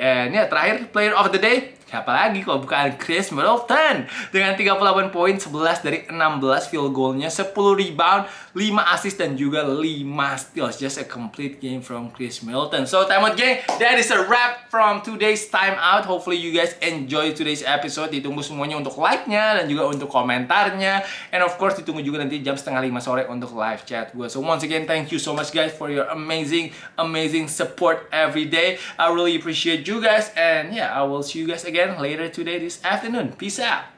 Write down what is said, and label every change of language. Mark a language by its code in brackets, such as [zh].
[id] And yeah, terakhir player of the day, siapa lagi kalau bukan Chris Middleton dengan 38 poin, 11 dari 16 field goal-nya, 10 rebound, 5 assist dan juga 5 steals. [en] Just a complete game from Chris Middleton. So timeout gang, that is a wrap from today's timeout. Hopefully you guys enjoy today's episode. [id] Ditunggu semuanya untuk like-nya dan juga untuk komentarnya. And of course ditunggu juga nanti jam 4:30 sore untuk live chat gue. [en] So once again thank you so much guys for your amazing support every day. I really appreciate you guys. And yeah, I will see you guys again later today this afternoon. Peace out.